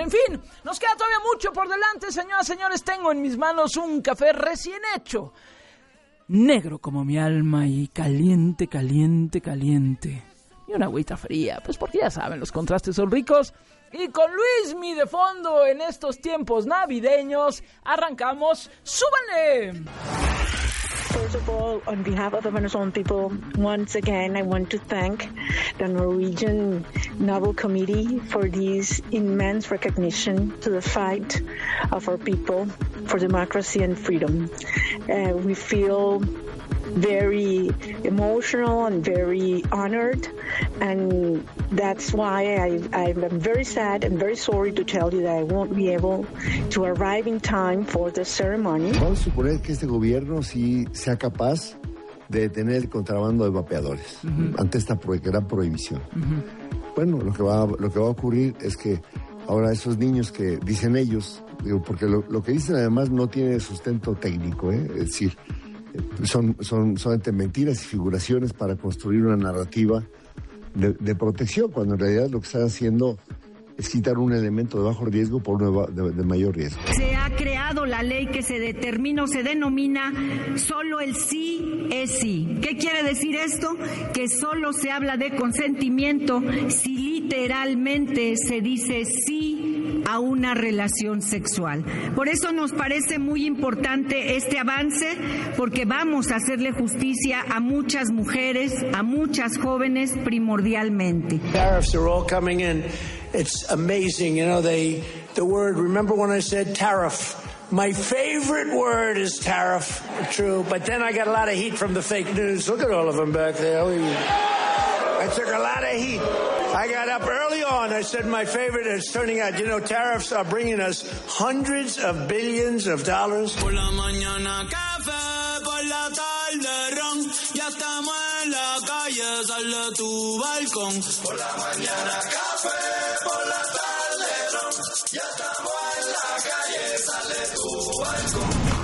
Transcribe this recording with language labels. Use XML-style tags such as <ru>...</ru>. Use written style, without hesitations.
<es>En fin, nos queda todavía mucho por delante, señoras y señores. Tengo en mis manos un café recién hecho, negro como mi alma y caliente, caliente, caliente. Y una agüita fría, pues porque ya saben, los contrastes son ricos. Y con Luismi de fondo en estos tiempos navideños, arrancamos. ¡Súbanle!</es> <en>First of all, on behalf of the Venezuelan people, once again, I want to thank the Norwegian Nobel Committee for this immense recognition to the fight of our people for democracy and freedom. We feel very emotional and very honored, and that's why I'm very sad and very sorry to tell you that I won't be able to arrive in time for the ceremony.</en> <es>Vamos a suponer que este gobierno sí sea capaz de detener el contrabando de vapeadores ante esta gran prohibición. Bueno, lo que va a ocurrir es que ahora esos niños que dicen ellos, digo, porque lo que dicen además no tiene sustento técnico, es decir, Son mentiras y figuraciones para construir una narrativa de protección, cuando en realidad lo que están haciendo es quitar un elemento de bajo riesgo por uno de mayor riesgo. Se ha creado la ley que se determina o se denomina solo el sí es sí. ¿Qué quiere decir esto? Que solo se habla de consentimiento si literalmente se dice sí a una relación sexual. Por eso nos parece muy importante este avance, porque vamos a hacerle justicia a muchas mujeres, a muchas jóvenes primordialmente.</es> <en>Tariffs are all coming in. It's amazing, you know, the word, remember when I said tariff? My favorite word is tariff, true, but then I got a lot of heat from the fake news. Look at all of them back there. I took a lot of heat. I got up early on, I said my favorite is turning out. You know, tariffs are bringing us hundreds of billions of dollars.</en> <es>Por la mañana café, por la tarde ron. Ya estamos en la calle, sal de tu balcón. Por la mañana café, por la tarde ron. Ya estamos en la calle, sal de tu balcón.</es>